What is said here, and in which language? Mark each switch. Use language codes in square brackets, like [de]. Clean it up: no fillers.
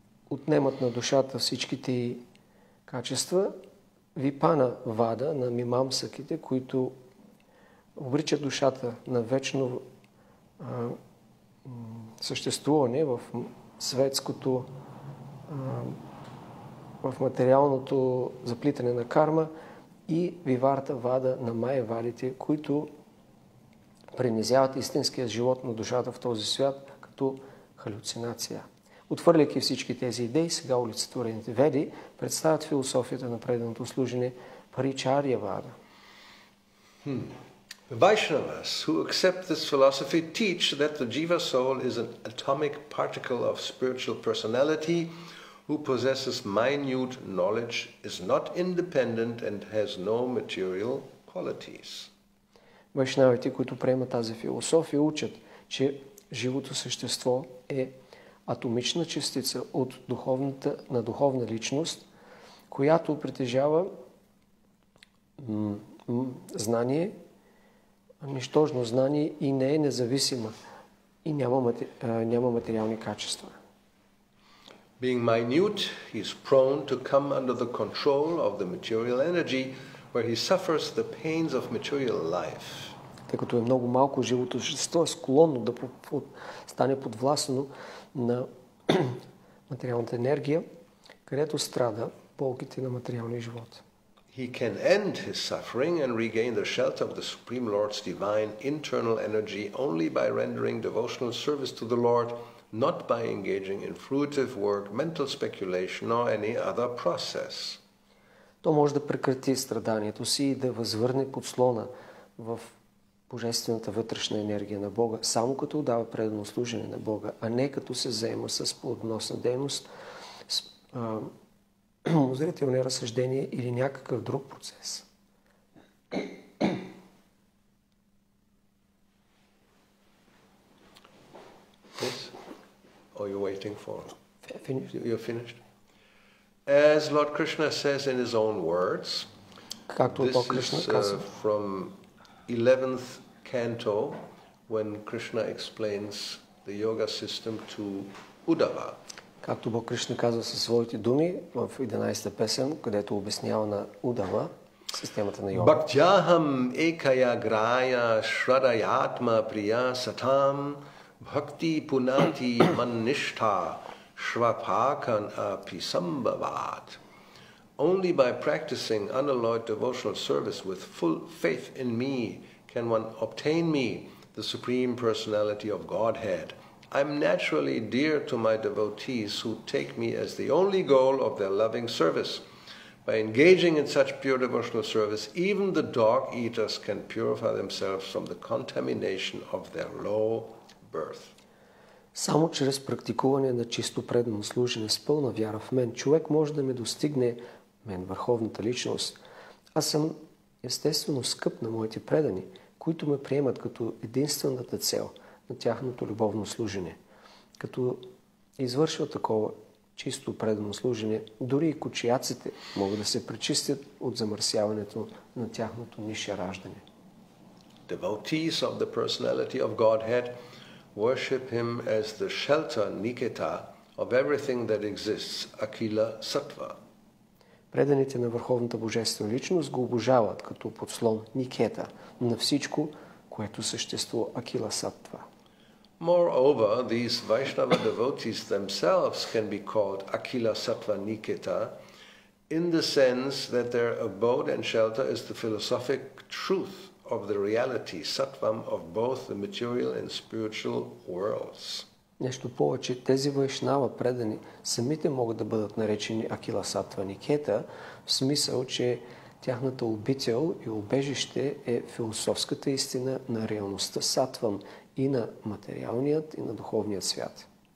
[bg] отнемат на душата всичките качества, Випана Вада на Мимамсаките, които обричат душата на вечно съществуване в светското, в материалното заплитане на карма, и Виварта Вада на Майявадите, които принизяват истинския живот на душата в този свят като халюцинация. Отвърляйки всички тези идеи, сега олицетворените веди представят философията на преданото служене Паричарья Вада. [en] The Vaishnavas who accept this philosophy teach that the jiva soul is an atomic particle of spiritual personality who possesses minute knowledge, is not independent and has no material qualities. [bg] Вайшнавите, които приемат тази философия, учат, че живото същество е атомична частица от духовната, на духовна личност, която притежава знание, нищожно знание, и не е независима, и няма материални качества. [en] Being minute, he is prone to come under the control of the material energy, where he suffers the pains of material life. [bg] Тъй като е много малко, живото същество е склонно да стане подвластно на материалната енергия, където страда болките на материалния живот. [en] He can end his suffering and regain the shelter of the Supreme Lord's divine internal energy only by rendering devotional service to the Lord, not by engaging in fruitive work, mental speculation or any other process. [bg] То може да прекрати страданието си и да възвърне подслона в Божествената вътрешна енергия на Бога, само като отдава предано служение на Бога, а не като се заема с плодоносна дейност, с умозрителни разсъждения или някакъв друг процес. [en] Yes? Or you're waiting for? Finished. You're finished? As Lord Krishna says in his own words, [bg] както [en] this [bg] Бог Кришна [en] is [bg] казва, [en] from 11th Canto, when Krishna explains the yoga system to Uddhava. [bg] Както Бог Кришна казва със своите думи в 11-та песен, където обяснява на Удава системата на йога. [sa] Бхактяхам екая грая шрадаятма прия сатам бхакти пунати манништа швапакан аписамбават. [en] Only by practicing unalloyed devotional service with full faith in me can one obtain me, the Supreme Personality of Godhead. I'm naturally dear to my devotees who take me as the only goal of their loving service. By engaging in such pure devotional service, even the dog eaters can purify themselves from the contamination of their low birth. [bg] Само чрез практикуване на чисто предано служене с пълна вяра в мен, човек може да ме достигне, мен, върховната личност. Аз съм естествено скъп на моите предани, които ме приемат като единствената цел на тяхното любовно служене. Като извършва такова чисто предано служене, дори и кучияците могат да се пречистят от замърсяването на тяхното нише раждане. [en] Devotees of the personality of Godhead worship him as the shelter Niketa of everything that exists, Akila Sattva. [bg] Преданите на Върховната Божествена Личност го обожават като подслон Никета на всичко, което съществува, Акила Саттва. [en] Moreover, these Vaishnava devotees themselves can be called Akila Sattva Niketa in the sense that their abode and shelter is the philosophic truth of the reality, Sattvam, of both the material and spiritual worlds. [bg] Нещо повече, тези Вайшнава предани самите могат да бъдат наречени Акила Сатва Никета, в смисъл, че тяхната обител и убежище е философската истина на реалността Сатвам и на материалният и на духовният свят.